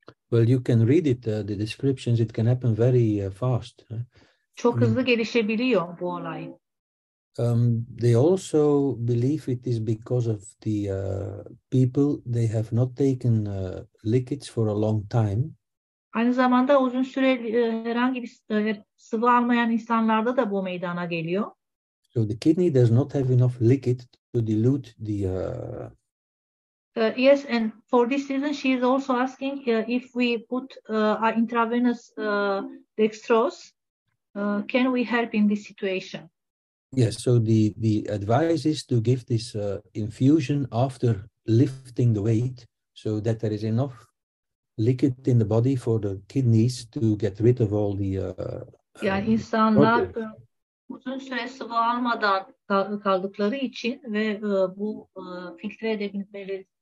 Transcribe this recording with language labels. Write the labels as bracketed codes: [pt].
[en] Well, you can read it, the descriptions. It can happen very fast. [tr] Çok hızlı gelişebiliyor bu olay. [en] They also believe it is because of the people they have not taken liquids for a long time. [tr] Aynı zamanda uzun süre herhangi bir sıvı almayan insanlarda da bu meydana geliyor. [en] So the kidney does not have enough liquid to dilute the Yes, and for this reason she is also asking if we put intravenous dextrose can we help in this situation? Yes, so the advice is to give this infusion after lifting the weight so that there is enough liquid in the body for the kidneys to get rid of all the [tr] yani insanlar uzun süre sıvı almadan kaldıkları için ve bu filtre edebilmeleri